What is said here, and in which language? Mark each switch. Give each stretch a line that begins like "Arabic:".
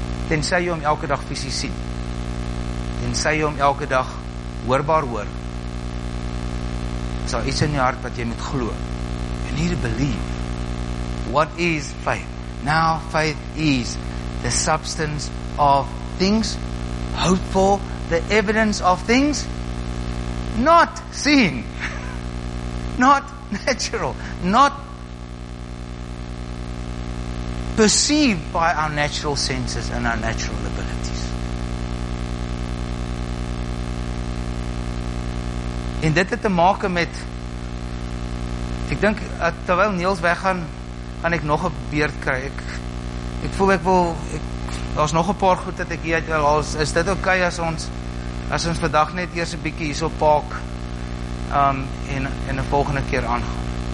Afrikaans: Tensy jy hom elke dag fisies sien. en sy hom elke dag hoorbaar hoor, sal iets in jou hart wat jy moet glo.
English: You need to believe. What is faith? Now, faith is the substance of things hoped for, the evidence of things not seen, not natural, not perceived by our natural senses and our natural abilities.
Afrikaans: En dit het te maak met, ek dink, terwyl Niels weggaan, gaan ek nog 'n beurt kry. Ek voel ek wil, daar is nog 'n paar goed dat ek hier wil, is dit ok as ons vandag net eers 'n bietjie hierso park, en die volgende keer aangaan.